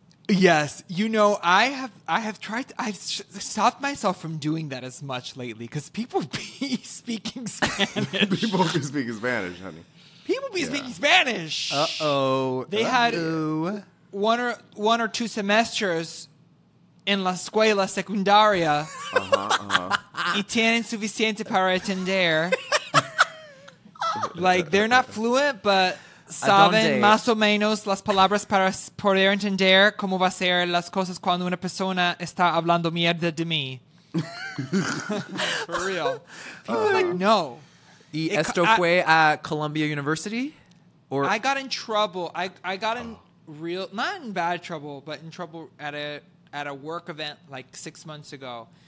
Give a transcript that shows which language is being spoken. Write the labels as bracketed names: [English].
[English] Yes, you know, I've stopped myself from doing that as much lately because people be speaking Spanish. People be speaking Spanish, honey. People be speaking Spanish. Uh-oh. They had one or two semesters in [Spanish] la escuela secundaria. Uh-huh. Y tienen suficiente para atender. [English] Like, they're not fluent, but... [Spanish] Saben más o menos las palabras para poder entender cómo va a ser las cosas cuando una persona está hablando mierda de mí. [English] For real. People are like, no. [Spanish] ¿Y esto fue a Columbia University? [English] Or I got in trouble. I got in real, not in bad trouble, but in trouble at a work event like 6 months ago.